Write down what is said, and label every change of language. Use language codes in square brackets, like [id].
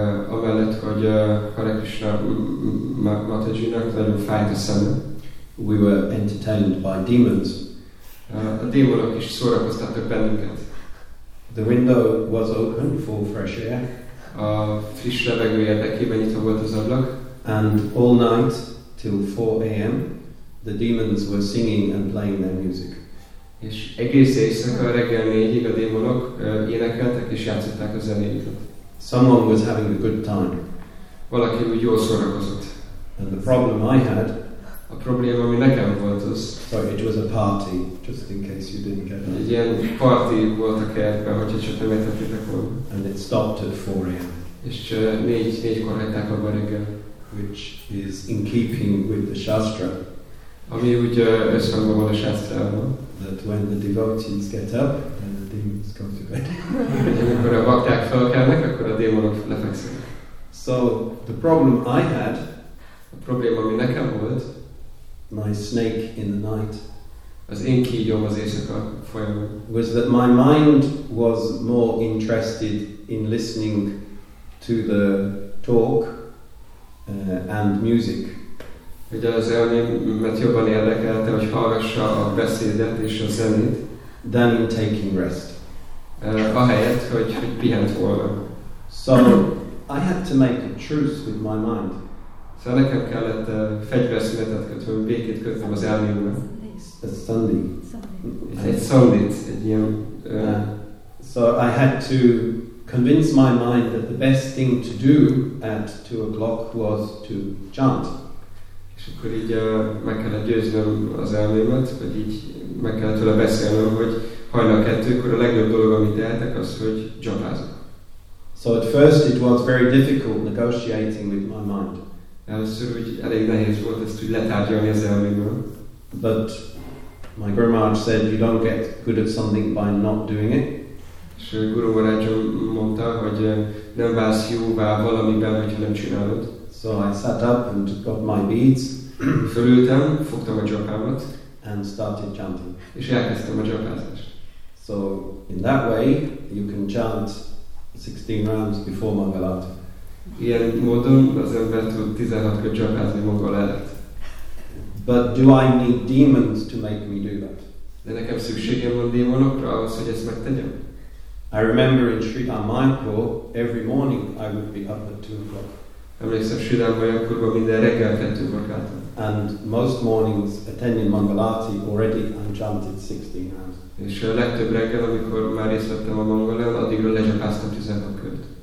[hu] amellett, hogy Hare Krishna Matajinak nagyon fájt a szeme, [en] we were entertained by demons. [hu] A démonok is szórakoztattak bennünket. [en] The window was open for fresh air. [hu] A friss levegő érdekében nyitva volt az ablak. [en] And all night till 4 a.m. the demons were singing and playing their music. [hu] És egész éjszaka reggel 4-ig a démonok énekeltek és játszották a zenéjüket. [en] Someone was having a good time. [hu] Valaki úgy jól szórakozott. [en] And the problem I had. [hu] A probléma, ami nekem volt, az... [en] Sorry, it was a party, just in case you didn't get that. [hu] Egy ilyen party volt a kertben, hogyha csak nem értettétek volna. [en] And it stopped at 4 a.m. [hu] És 4-4-kor hagyták abba reggel. [en] Which is in keeping with the Shastra. [hu] Ami úgy összhangban van a Shastrában. [en] That when the devotees get up, then the demons go to bed. [hu] Hogy amikor a bakták felkelnek, akkor a démonok lefekszenek. [en] So, the problem I had... [hu] A probléma, ami nekem volt... [en] My snake in the night. [hu] Az én kígyóm az éjszaka folyamán. [en] Was that my mind was more interested in listening to the talk and music. [hu] Hogy az elmémet jobban érdekelte, hogy hallgassa a beszédet és a zenét. [en] Than in taking rest. [hu] Ahelyett, hogy pihent volna. [en] So I had to make a truce with my mind. [hu] De nekem kellett fegyverszünetet kötnöm, békét kötnöm az elmémben. Ez Sunday. Egy Sunday, egy ilyen... [en] So I had to convince my mind that the best thing to do at 2 o'clock was to chant. [hu] És akkor így meg kellett győznöm az elmémet, vagy így meg kellett vele beszélnöm, hogy hajnal 2-kor a legjobb dolog, amit tehetek, az, hogy jantázok. [en] So at first it was very difficult negotiating with my mind. [hu] Először úgy elég nehéz volt ezt úgy letárgyalni az elméből. [en] But my Guru Maharaj said, you don't get good at something by not doing it. [hu] És Guru Maharaj mondta, hogy nem válsz jóvá valamiben, hogyha nem csinálod. [en] So I sat up and got my beads. [hu] Fölültem, fogtam a japámat. [en] And started chanting. [hu] És elkezdtem a japázást. [en] So in that way, you can chant 16 rounds before Mangalati. [hu] Ilyen módon az ember tud 16 kört japázni maga lehet. [en] But do I need demons to make me do that? [hu] De nekem szükségem van démonokra ahhoz, hogy ezt megtegyem. [en] I remember in Sri Ramayakur, every morning I would be up at 2 o'clock. [hu] Emlékszem, Sri Ramayakurban minden reggel 2-kor keltem. [en] And most mornings attending Mangalati already I'm chanted 16 rounds. [hu] És a legtöbb reggel, amikor már részt vettem a Mangalán, addigra lezsapáztam 16 kört.